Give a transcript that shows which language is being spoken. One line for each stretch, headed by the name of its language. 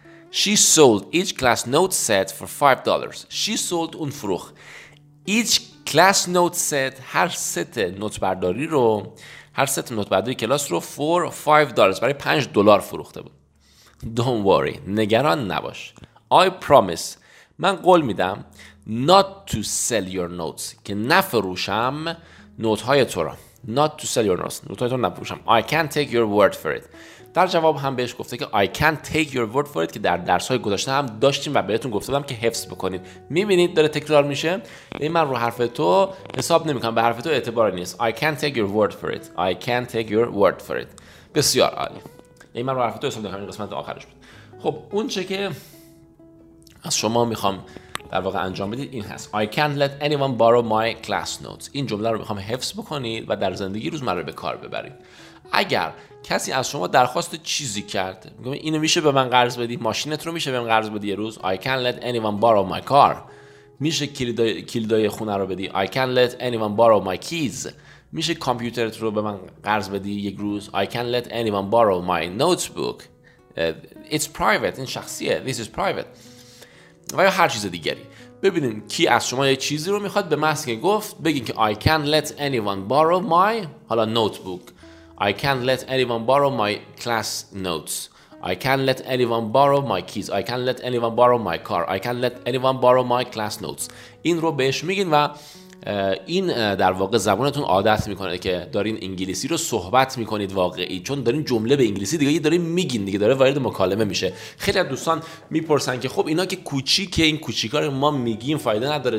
English: She sold each class note set for $5. She sold
Persian: اون فروخ.
English: Each class note set,
Persian: هر ست نوت برداری رو، هر ست نوت برداری کلاس رو
English: for $5.
Persian: برای $5 فروخته بود.
English: Don't worry.
Persian: نگران نباش.
English: I promise.
Persian: من قول میدم
English: not to sell your notes.
Persian: که نفروشم نوت های تو را.
English: Not to sell your notes.
Persian: نوت های تو نفروشم.
English: I can't take your word for it.
Persian: در جواب هم بهش گفته که
English: I can't take your word for it.
Persian: که در درس های گذاشته هم داشتیم و بهتون گفته بودم که حفظ بکنید. میبینید داره تکرار میشه. این من رو حرف تو حساب نمی کنم. به حرف تو اعتبار نیست.
English: I can't take your word for it. I can't take your word for it.
Persian: بسیار عالی. این من رو حرف تو حساب نمی کنم. قسمت آخرش بود. خب اون چه که از شما میخوام در واقع انجام بدید این هست.
English: I can't let anyone borrow my class notes.
Persian: این جمله رو میخوام حفظ بکنید و در زندگی روزمره به کار ببرید. اگر کسی از شما درخواست چیزی کرد، میگم اینو میشه به من قرض بدی؟ ماشینت رو میشه به من قرض بدی یه روز؟
English: I can't let anyone borrow my car.
Persian: میشه کلیدای خونه رو بدی؟
English: I can't let anyone borrow my keys.
Persian: میشه کامپیوترت رو به من قرض بدی یک روز؟
English: I can't let anyone borrow my notebook. It's private.
Persian: این شخصیه.
English: This is private.
Persian: و یا هر چیز دیگری. ببینیم کی از شما یه چیزی رو میخواد، به من گفت بگین که
English: I can't let anyone borrow my
Persian: حالا notebook.
English: I can't let anyone borrow my class notes. I can't let anyone borrow my keys. I can't let anyone borrow my car. I can't let anyone borrow my class notes.
Persian: این رو بهش میگین و این در واقع زبانتون عادت میکنه که دارین انگلیسی رو صحبت میکنید واقعی، چون دارین جمله به انگلیسی دیگه دارین میگین دیگه، داره وارد مکالمه میشه. خیلی از دوستان میپرسن که خب اینا که کوچیکه، این کوچیکار ما میگیم فایده نداره.